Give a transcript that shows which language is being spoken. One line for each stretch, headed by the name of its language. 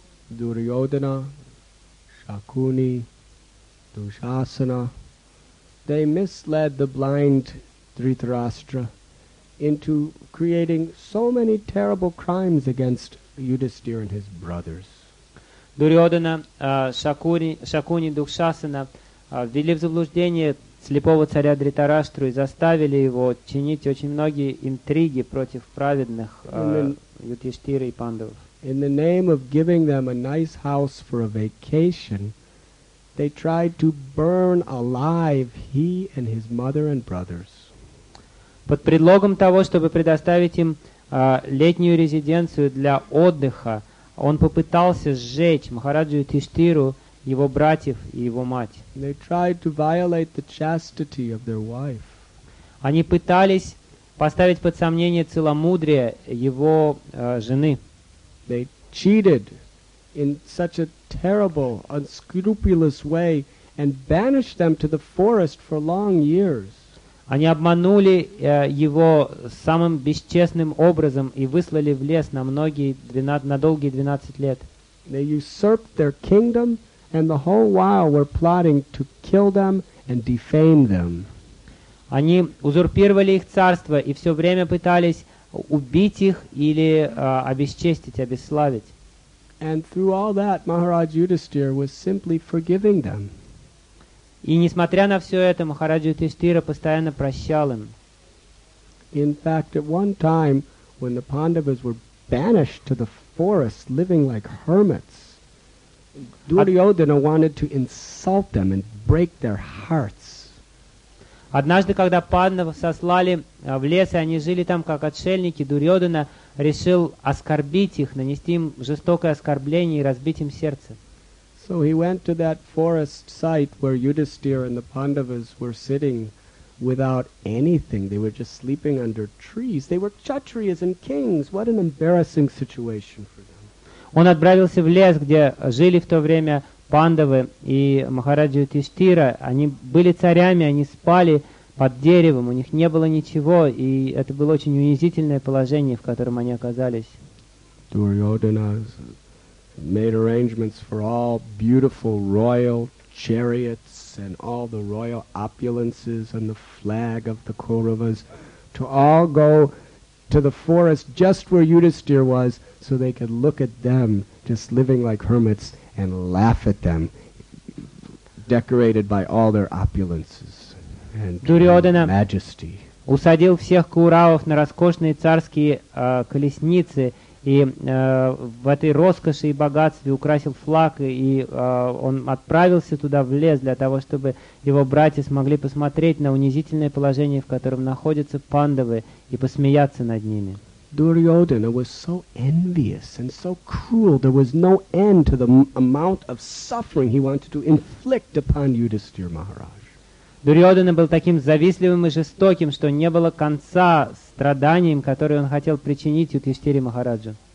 English: Дурьодхана, Шакуни, Душасана, they misled the blind Дхритараштра into creating so many terrible crimes against Yudhisthira and his brothers.
Russian: Дурьодхана, Шакуни, Душасана ввели в заблуждение слепого царя Дхритарашту и заставили его чинить очень многие интриги против праведных Юдхиштхиры и Пандавов.
English: In the name of giving them a nice house for a vacation, they tried to burn alive he and his mother and brothers.
Russian: Под предлогом того, чтобы предоставить им летнюю резиденцию для отдыха, он попытался сжечь Махараджу Юдхиштхиру, его братьев и его мать.
English: They tried to violate the chastity of their wife.
Russian: Они пытались поставить под сомнение целомудрие его жены.
English: They cheated in such a terrible, unscrupulous way and banished them to the forest for long years.
Russian: Они обманули его самым бесчестным образом и выслали в лес на долгие 12 лет.
English: They usurped their kingdom, and the whole while were plotting to kill them and defame them.
Russian: Они узурпировали их царство и все время пытались убить их или обесчестить, обесславить.
English: And through all that, Maharaj Yudhisthira was simply forgiving them.
Russian: И несмотря на все это, Махараджа Юдхиштхира постоянно прощал им.
English: In fact, at one time, when the Pandavas were banished to the forest, living like hermits, Duryodhana wanted to insult them and break their hearts.
Russian: Однажды, когда Пандавы сослали в лес, и они жили там как отшельники, Дурьодхана решил оскорбить их, нанести им жестокое оскорбление и разбить им сердце.
English: So he went to that forest site where Yudhisthira and the Pandavas were sitting without anything. They were just sleeping under trees. They were Kshatriyas and kings. What an embarrassing situation for them.
Russian: Он отправился в лес, где жили в то время Пандавы и Махараджа Юдхиштхира. Они были царями, они спали под деревом. У них не было ничего, и это было очень унизительное положение, в котором они оказались.
English: Duryodhana made arrangements for all beautiful royal chariots and all the royal opulences and the flag of the Kauravas to all go to the forest just where Yudhisthira was so they could look at them just living like hermits and laugh at them decorated by all their opulences and majesty.
Russian: Усадил всех Кауравов на роскошные царские колесницы и в этой роскоши и богатстве украсил флаг, и он отправился туда в лес для того, чтобы его братья смогли посмотреть на унизительное положение, в котором находятся Пандавы, и посмеяться над ними.
English: Duryodhana was so envious and so cruel, there was no end to the amount of suffering he wanted to inflict upon Yudhisthira Maharaj.
Russian: Дурьодхана был таким завистливым и жестоким, что не было конца страданиям, которые он хотел причинить Юдхиштхире Махараджу.